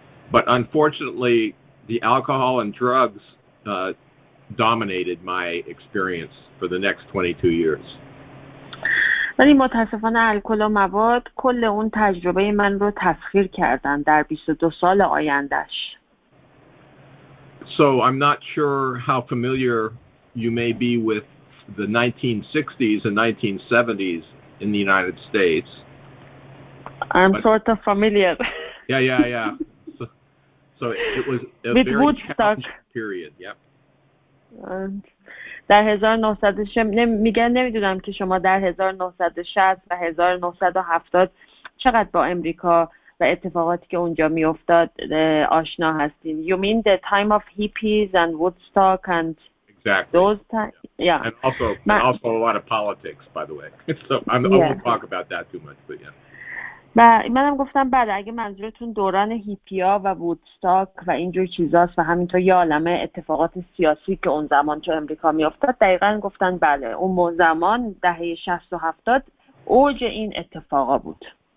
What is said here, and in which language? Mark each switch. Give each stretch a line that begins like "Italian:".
English: But unfortunately, the alcohol and drugs dominated my experience for the next 22 years.
Persian: ولی متاسفانه الکل و مواد کل اون تجربه من رو تسخیر کردن در 22 سال آیندهش.
English: So I'm not sure how familiar you may be with the 1960s and 1970s in the United States. I'm sort of familiar. Yeah. So it was a with very Woodstock. Challenging period. Yep.
Persian: در 1960 میگن نمیدونم که شما در 1960 و 1970 چقدر با امریکا و اتفاقاتی که اونجا می افتاد آشنا هستین.
English: You mean the time of hippies and Woodstock and exactly. those times? Yeah. And also, also a lot of politics, by the way. So I won't talk about that too much, but yeah.
Persian: من هم گفتم بله اگه منظورتون دوران هیپیا و وودستاک و اینجور چیزاست و همینطور یه عالمه اتفاقات سیاسی که اون زمان تو امریکا می افتاد دقیقا گفتن بله اون زمان دهه 60 و 70 اوج این اتفاقا بود.